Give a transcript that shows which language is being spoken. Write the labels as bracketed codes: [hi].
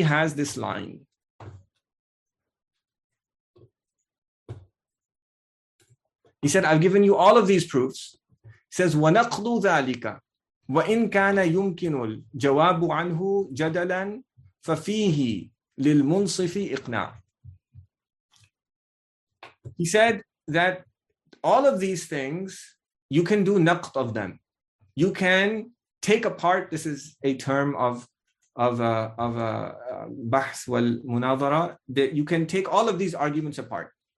[en] has this line. He said, I've given you all of these proofs. He says, [ar] وَنَقْلُ ذَلِكَ وَإِنْ كَانَ يُمْكِنُ الْجَوَابُ عَنْهُ جَدَلًا فَفِيهِ لِلْمُنْصِفِ إِقْنَعُ. [en] He said that all of these things, you can do naqd of them. You can take apart, this is a term of a bahth wal munadara, that you can take all of these arguments apart.